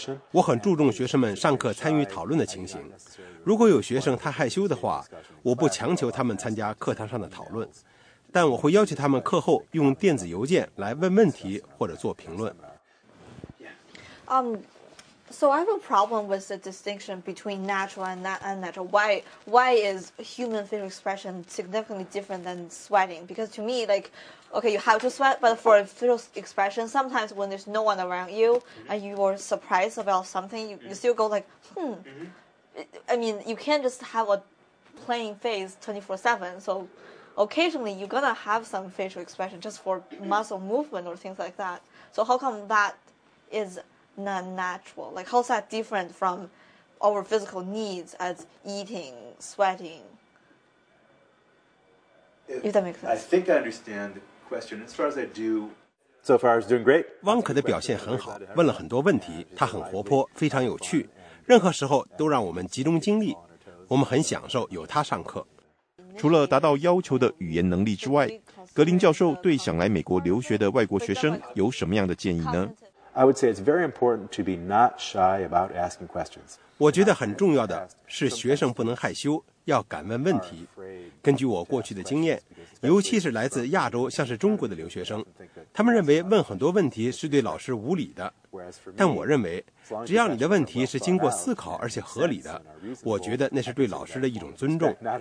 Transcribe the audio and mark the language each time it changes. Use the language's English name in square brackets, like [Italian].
[Chinese] 我很注重学生们上课参与讨论的情形。如果有学生他害羞的话，我不强求他们参加课堂上的讨论，但我会邀请他们课后用电子邮件来问问题或者做评论。 [English] So I have a problem with the distinction between natural and unnatural. Why is human facial expression significantly different than sweating? Because to me, like, okay, you have to sweat, but for facial expression, sometimes when there's no one around you and you are surprised about something, you still go like, I mean, you can't just have a plain face 24/7. So occasionally you're gonna have some facial expression just for muscle movement or things like that. So how come that is non-natural? Like, how's that different from our physical needs as eating, sweating? If that makes sense. I think I understand the question. As far as I do, so far is doing great. [Chinese] 汪可的表现很好，问了很多问题，他很活泼，非常有趣，任何时候都让我们集中精力，我们很享受有他上课。除了达到要求的语言能力之外，格林教授对想来美国留学的外国学生有什么样的建议呢？ [English] I would say it's very important to be not shy about asking questions. [Chinese] 我觉得很重要的是学生不能害羞，要敢问问题。根据我过去的经验，尤其是来自亚洲，像是中国的留学生，他们认为问很多问题是对老师无礼的，但我认为，只要你的问题是经过思考而且合理的，我觉得那是对老师的一种尊重。